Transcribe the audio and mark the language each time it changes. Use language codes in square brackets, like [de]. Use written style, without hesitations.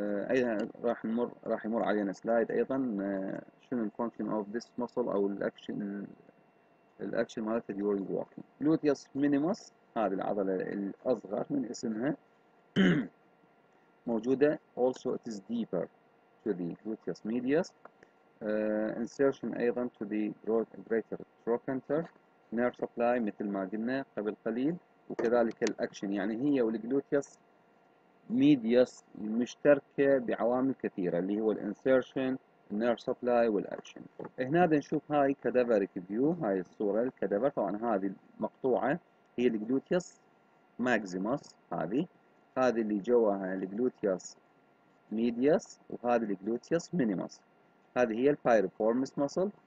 [ar] أيضا راح يمر علينا سلايد أيضا شنو ال [en] function of this muscle [ar] أو ال action مالته during walking. Gluteus minimus هذه العضلة الأصغر من اسمها موجودة. [en] Also it is deeper to the gluteus medius. Insertion أيضا to the greater trochanter. [ar] Nerve supply مثل ما قلنا قبل قليل، وكذلك الأكشن، يعني هي والجلوتيوس medius مشتركة بعوامل كثيرة اللي هو الانسيرشن النيرف سبلاي والأكشن. هنا بنشوف هاي كادافريك فيو، هاي الصورة الكادافر، طبعا هذه المقطوعة هي الجلوتيوس ماكزيموس، هذه اللي جواها الجلوتيوس medius وهذه الجلوتيوس مينيموس، هذه هي البايروفورمس مسل.